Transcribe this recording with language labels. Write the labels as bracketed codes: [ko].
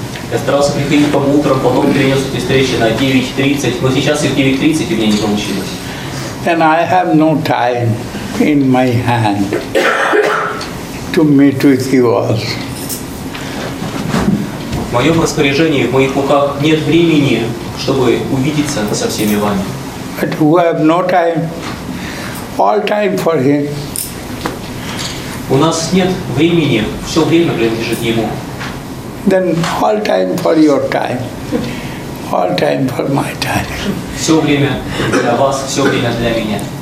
[ru] Я старался приходить по утрам, потом перенес эти встречи на 9:30. Но сейчас их 9:30 и мне не получилось. [en] And I have no time in my hand to meet with you all. [ru] В моем распоряжении, в моих руках нет времени, чтобы увидеться со всеми вами. [en] But who have no time, all time for him. [ru] У нас нет времени, все время принадлежит ему. [en] Then all time for your time, all time for my time. [ru] Все время для вас, все время для меня.